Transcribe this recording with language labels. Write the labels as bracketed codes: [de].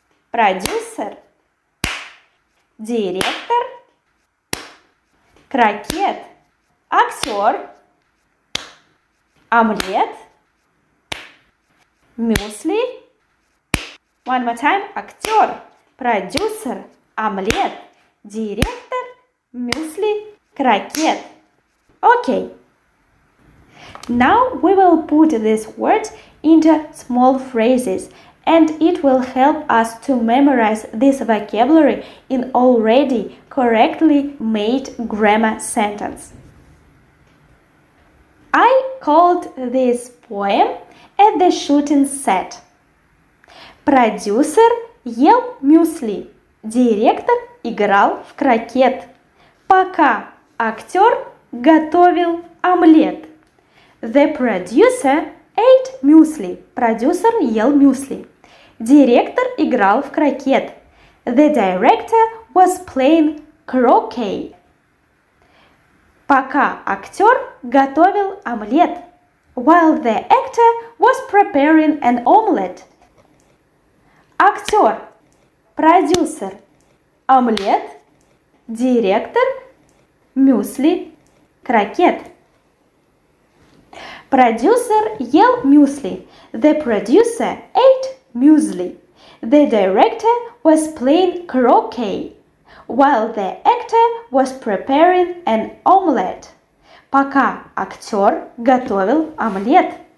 [ru] Продюсер, директор, крокет, актер, омлет, мюсли. [en] One more time. [ru] Актер, продюсер, омлет, директор, мюсли, крокет. [en] Okay. Now we will put this word into small phrases, and it will help us to memorize this vocabulary in already correctly made grammar sentence. I called this poem at the shooting set. [ru] Продюсер ел мюсли. Директор играл в крокет. Пока актер готовил омлет. [en] The producer ate muesli. [ru] Продюсер ел мюсли. Директор играл в крокет. [en] The director was playing croquet. [ru] Пока актер готовил омлет. [en] While the actor was preparing an omelette. [ru] Актер, продюсер, омлет, директор, мюсли, крокет. Продюсер ел мюсли. [en] The producer ate muesli. The director was playing croquet, while the actor was preparing an omelette. [ru] Пока актер готовил омлет.